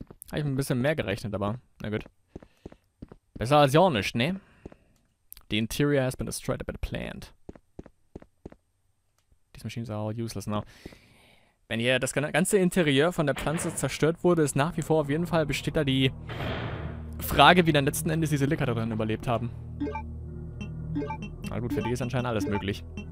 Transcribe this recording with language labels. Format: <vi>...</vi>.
<de>Habe ich ein bisschen mehr gerechnet, aber na gut. Besser als ja nicht, ne?</de> <en>The interior has been destroyed by the plant. These machines are all useless now.</en> <de>Wenn hier das ganze Interieur von der Pflanze zerstört wurde, ist nach wie vor auf jeden Fall besteht da die Frage, wie dann letzten Endes diese Licker darin überlebt haben. Na gut, für die ist anscheinend alles möglich.</de>